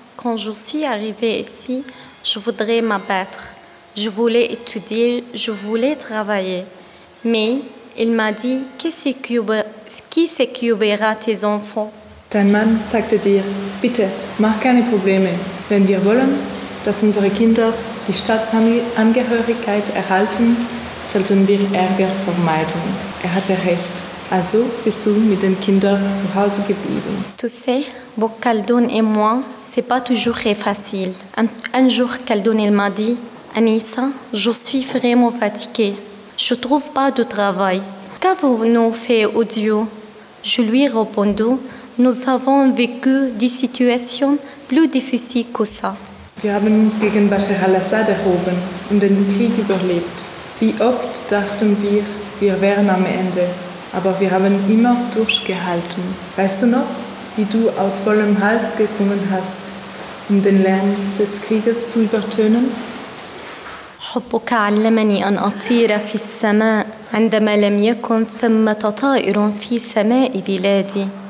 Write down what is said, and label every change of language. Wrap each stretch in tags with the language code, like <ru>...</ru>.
<fr>Quand je suis arrivée ici, je voudrais m'abattre. Je voulais étudier, je voulais travailler. Mais il m'a dit, qui s'occupera tes enfants?</fr> <de>Dein Mann sagte dir, bitte, mach keine Probleme. Wenn wir wollen, dass unsere Kinder die Staatsangehörigkeit erhalten, sollten wir Ärger vermeiden. Er hatte recht. Also bist du mit den Kindern zu Hause geblieben.</de> <fr>Tu sais, pour Khaldun et moi, c'est pas toujours très facile. Un jour, Khaldun il m'a dit, Anissa, je suis vraiment fatiguée. Je trouve pas de travail. Qu'avons-nous fait au duo? Je lui ai répondu, nous avons vécu des situations plus difficiles que ça.</fr> <de>Wir haben uns gegen Bashar al-Assad erhoben und den Krieg überlebt. Wie oft dachten wir, wir wären am Ende. Aber wir haben immer durchgehalten. Weißt du noch, wie du aus vollem Hals gesungen hast, um den Lärm des Krieges zu übertönen?</de> <ar>حبك علمني أن أطير في السماء عندما لم يكن ثمة طائر في سماء بلادي.</ar>